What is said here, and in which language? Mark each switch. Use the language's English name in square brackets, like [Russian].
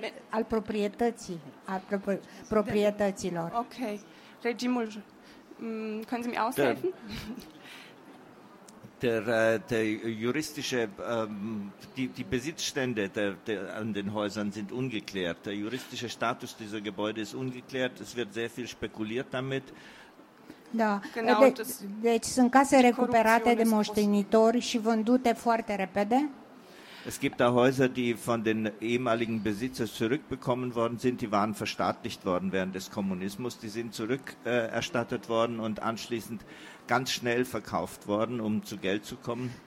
[Romanian] al proprietății, al proprietăților. Ok. [German] Regimul, können Sie mir aushelfen? Der juristische, die Besitzstände an den Häusern sind ungeklärt. Der juristische Status dieser Gebäude ist ungeklärt. Es wird sehr viel spekuliert damit. [Romanian] Da, genau, deci sunt case recuperate de moștenitori și vândute foarte repede. [German] Es gibt da Häuser, die von den ehemaligen Besitzern zurückbekommen worden sind. Die waren verstaatlicht worden während des Kommunismus. Die sind zurückerstattet worden und anschließend ganz schnell verkauft worden, um zu Geld zu kommen.